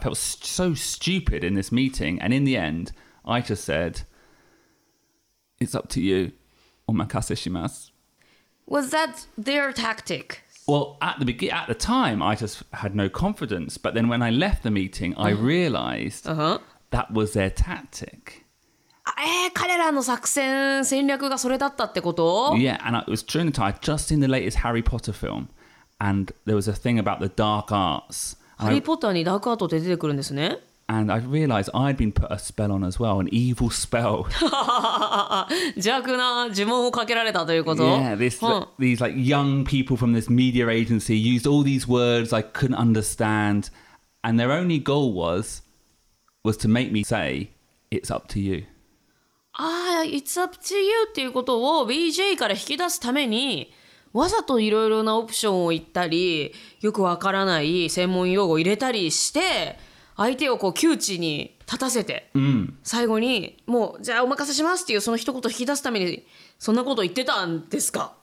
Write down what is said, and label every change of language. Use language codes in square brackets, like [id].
[en] I felt so stupid in this meeting. And in the end, I just said, it's up to you. [ja] Omakase shimasu. [en] Was that their tactic? Well, at the time, I just had no confidence. But then when I left the meeting, I realized that was their tactic. [ja] 彼らの作戦、戦略がそれだったってこと? [en] Yeah, and it was during the time, I'd just seen the latest Harry Potter film. And there was a thing about the dark arts. [ja] ハリーポッターにダークアートって出てくるんですね。 [en] And I realized I'd been put a spell on as well, an evil spell. [ja] 邪悪な呪文をかけられたということ? [en] Yeah, these like young people from this media agency used all these words I couldn't understand. And their only goal was to make me say, it's up to you. [ja] Ah, [en] it's up to you [ja] っていうことを BJ から引き出すためにわざといろいろなオプションを言ったりよくわからない専門用語を入れたりして相手をこう窮地に立たせて、最後にもうじゃあお任せしますっていうその一言引き出すためにそんなこと言ってたんですか。